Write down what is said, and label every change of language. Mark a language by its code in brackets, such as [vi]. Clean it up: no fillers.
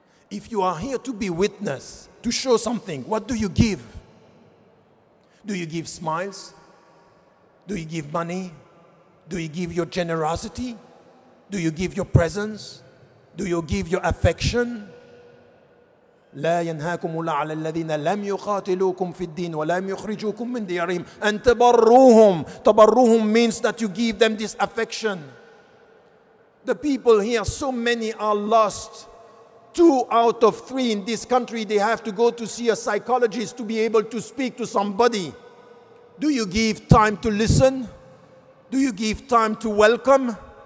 [en] If you are here to be witness, to show something, what do you give? Do you give smiles? Do you give money? Do you give your generosity? Do you give your presence? Do you give your affection? [ar] لا ينهاكم الله على الذين لم يقاتلوكم في الدين ولم يخرجوكم من ديارهم أن تبروهم. [en] تبروهم means that you give them this affection. The people here, so many are lost. 2 out of 3 in this country, they have to go to see a psychologist to be able to speak to somebody. Do you give time to listen? Do you give time to welcome?